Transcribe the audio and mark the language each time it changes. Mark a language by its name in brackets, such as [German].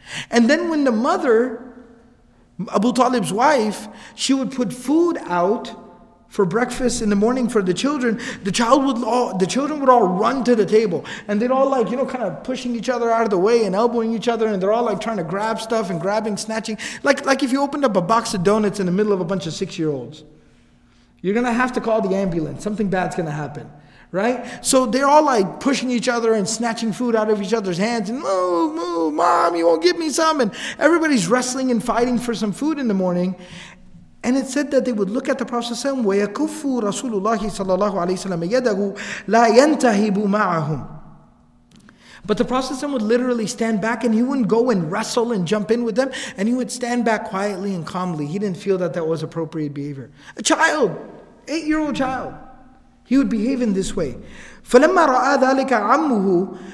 [English] And then when the mother, Abu Talib's wife, she would put food out for breakfast in the morning for the children, the children would all run to the table, and they'd all like, you know, kind of pushing each other out of the way and elbowing each other, and they're all like trying to grab stuff and grabbing, snatching, like if you opened up a box of donuts in the middle of a bunch of 6-year-olds, you're gonna have to call the ambulance. Something bad's gonna happen, right? So they're all like pushing each other and snatching food out of each other's hands, and move, move, mom, you won't give me some, and everybody's wrestling and fighting for some food in the morning. And it said that they would look at the Prophet [Arabic] ﷺ, وَيَكُفُّ رَسُولُ اللَّهِ صَلَّى اللَّهُ عَلَيْهِ وَسَلَّمَ يَدَهُ لَا يَنْتَهِبُ مَعَهُمْ. [English] But the Prophet ﷺ would literally stand back, and he wouldn't go and wrestle and jump in with them, and he would stand back quietly and calmly. He didn't feel that that was appropriate behavior. A child, 8-year-old child, he would behave in this way. [Arabic] فَلَمَّا رَأَى ذَلِكَ عَمُّهُ.